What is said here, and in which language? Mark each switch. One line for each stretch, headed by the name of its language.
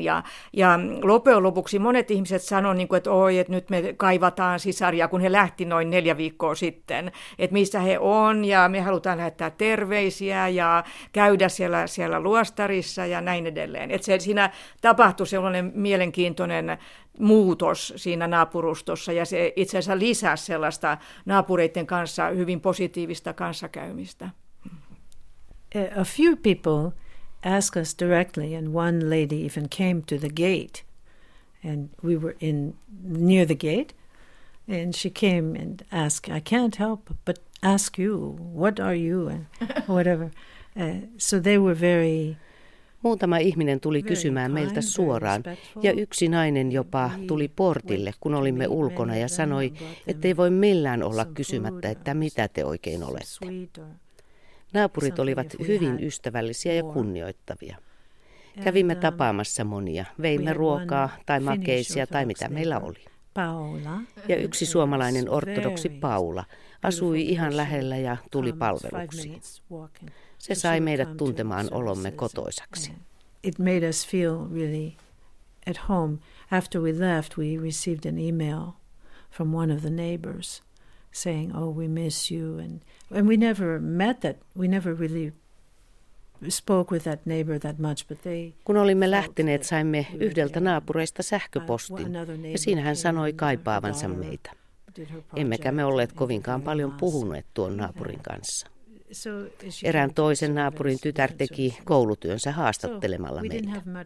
Finnish: Ja loppujen lopuksi monet ihmiset sanoi, niin kuin, että oi, että nyt me kaivataan sisaria, kun he lähti noin 4 viikkoa sitten, että missä he on, ja me halutaan lähettää terveisiä ja käydä siellä luostarissa ja näin edelleen. Että siinä tapahtui sellainen mielenkiintoinen muutos siinä naapurustossa, ja se itse asiassa lisää sellaista naapureiden kanssa hyvin positiivista kanssakäymistä.
English: A few people asked us directly, and one lady even came to the gate. And we were in near the gate, and she came and asked, "I can't help but ask you, what are you, and whatever." So they were very.
Finnish: Muutama ihminen tuli kysymään meiltä suoraan, ja yksi nainen jopa tuli portille, kun olimme ulkona, ja sanoi, ettei voi millään olla kysymättä, että mitä te oikein olette. Naapurit olivat hyvin ystävällisiä ja kunnioittavia. Kävimme tapaamassa monia, veimme ruokaa tai makeisia tai mitä meillä oli. Ja yksi suomalainen ortodoksi Paula asui ihan lähellä ja tuli palveluksiin. Se sai meidät tuntemaan olomme kotoisaksi.
English: It made us feel really at home. After we left, we received an email from one of the neighbors saying, "Oh, we miss you." And we never met that. We never really spoke with that neighbor that much, but they.
Finnish: Kun olimme lähteneet, saimme yhdeltä naapureista sähköpostin, ja siinä hän sanoi kaipaavansa meitä. Emmekä me olleet kovinkaan paljon puhuneet tuon naapurin kanssa. Erään toisen naapurin tytär teki koulutyönsä haastattelemalla meitä.